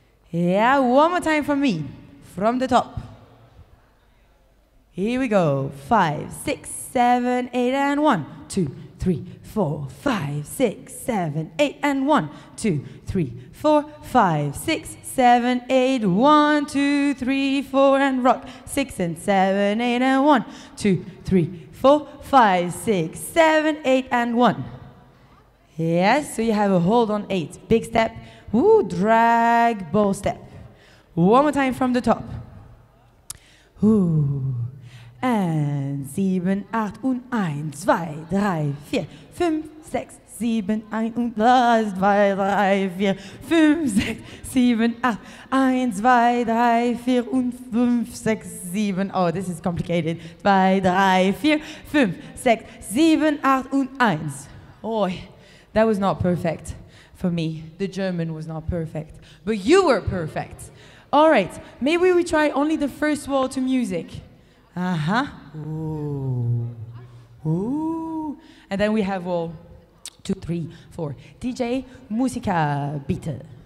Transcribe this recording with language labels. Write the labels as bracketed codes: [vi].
[en] Yeah, one more time for me, from the top. Here we go, five, six, seven, eight, and one, two, three, four, five, six, seven, eight, and one, two, three, four, five, six, seven, eight, one, two, three, four, and rock, six, and seven, eight, and one, two, three, four, five, six, seven, eight, and one. Yes, so you have a hold on eight. Big step, woo, drag, ball step. One more time from the top. Ooh. [de] And sieben, acht, und eins, zwei, drei, vier, fünf, sechs, sieben, ein, und zwei, drei, vier, fünf, sechs, sieben, acht, eins, zwei, drei, vier, und fünf, sechs, sieben. [en] Oh, this is complicated. [de] Zwei, drei, vier, fünf, sechs, sieben, acht, und eins. Oh. [en] That was not perfect for me. The German was not perfect, but you were perfect. All right, maybe we try only the first wall to music. Uh-huh, ooh, ooh. And then we have wall, two, three, four. DJ, musica, [de] bitte.